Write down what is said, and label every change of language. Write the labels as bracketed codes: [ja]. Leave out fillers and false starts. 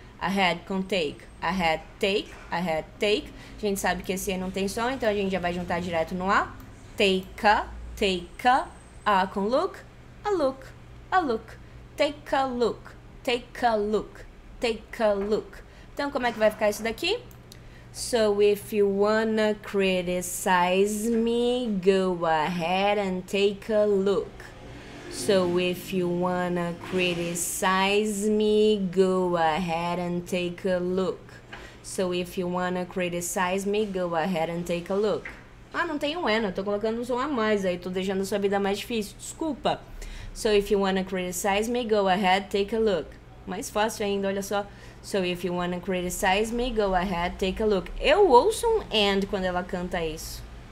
[en] Ahead com take, ahead take, ahead take. [pt] A gente sabe que esse E não tem som, então a gente já vai juntar direto no A. [en] Take a, take a. A com look, a look, a look. Take a look, take a look, take a look. [pt] Então, como é que vai ficar isso daqui? [en] So if you wanna criticize me, go ahead and take a look. So if you wanna criticize me, go ahead and take a look. So if you wanna criticize me, go ahead and take a look. [pt] Ah, não tem um E, eu tô colocando um som a mais, aí tô deixando a sua vida mais difícil, desculpa. [en] So if you wanna criticize me, go ahead, take a look. [pt] Mais fácil ainda, olha só. [en] So if you wanna criticize me, go ahead, take a look. [pt] Eu ouço um and quando ela canta isso.